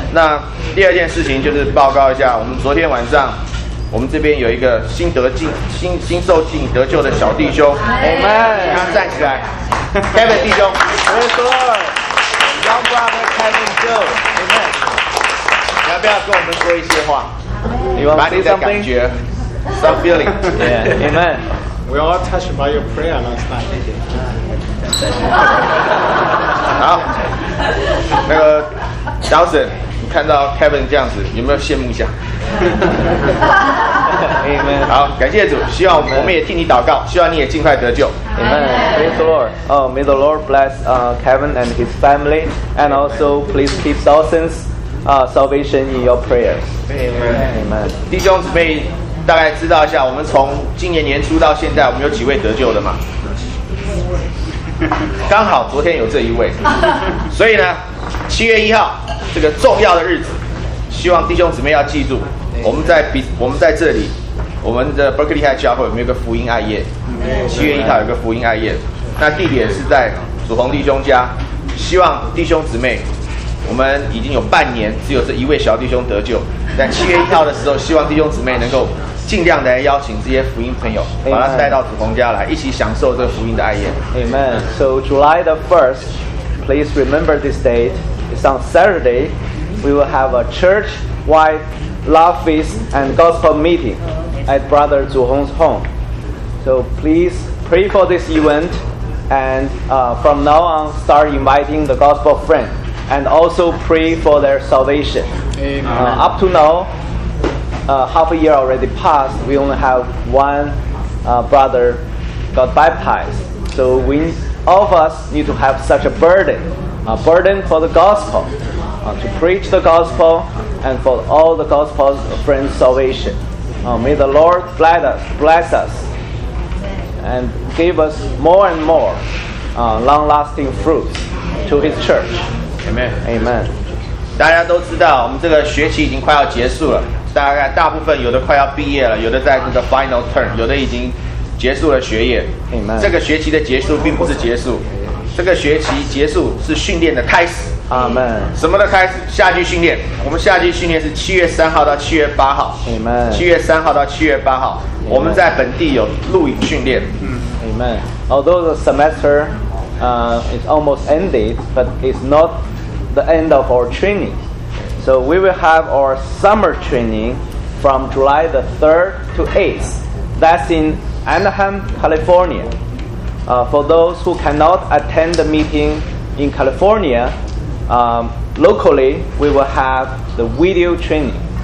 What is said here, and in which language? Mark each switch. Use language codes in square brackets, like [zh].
[zh] 那第二件事情就是报告一下，我们昨天晚上我们这边有一个新得救、新受浸得救的小弟兄。你们让他站起来 ，Kevin 弟兄。没错 ，Young Brother Kevin Joe。你们，你要不要跟我们说一些话？你把你的感觉 ， [en] some feeling。 [zh] 你们。 [en] We all touched by your prayer last night. [zh] 好，那个 Dawson， 你看到 Kevin 这样子，有没有羡慕一下？ [en] Amen. [zh] 好，感谢主，希望我们也替你祷告，希望你也尽快得救。 [en] Amen. Praise the Lord. Oh, may the Lord bless Kevin and his family, and also please keep Dawson's salvation in your prayers. Amen. Amen. [zh] 弟兄姊妹。大概知道一下，我们从今年年初到现在，我们有几位得救的嘛？刚好昨天有这一位，所以呢，7月1号这个重要的日子，希望弟兄姊妹要记住，我们在这里，我们的 Berkeley High 教会有没有个福音爱宴？ 7月1号有个福音爱宴，那地点是在祖宏弟兄家，希望弟兄姊妹。我们已经有半年只有这一位小弟兄得救，在7月1号的时候，希望弟兄姊妹能够尽量来邀请这些福音朋友，把他带到祖宏家来，一起享受这个福音的爱宴。 [en] Amen. So July the 1st, please remember this date. It's on Saturday. We will have a church-wide love feast and gospel meeting at Brother Zhu Hong's home. So please pray for this event, and from now on, start inviting the gospel friends. And also pray for their salvation. Amen. Up to now, half a year already passed. We only have one brother got baptized. So we, all of us need to have such a burden for the gospel, to preach the gospel and for all the gospel friends' salvation. May the Lord bless us and give us more and more long-lasting fruits to His church. Amen. Amen. [zh] 大家都知道，我们这个学期已经快要结束了。大概大部分有的快要毕业了，有的在这个 final term， 有的已经结束了学业。 [en] Amen. [zh] 这个学期的结束并不是结束，这个学期结束是训练的开始。 [en] Amen. [zh] 什么的开始？夏季训练。我们夏季训练是7月3号到7月8号。 [en] Amen. [zh] 7月3号到7月8号， [en] Amen. [zh] 我们在本地有露营训练。 [en] Amen. Although the semester is almost ended, but it's not. The end of our training. So we will have our summer training from July the 3rd to 8th. That's in Anaheim, California. For those who cannot attend the meeting in California, locally we will have the video training.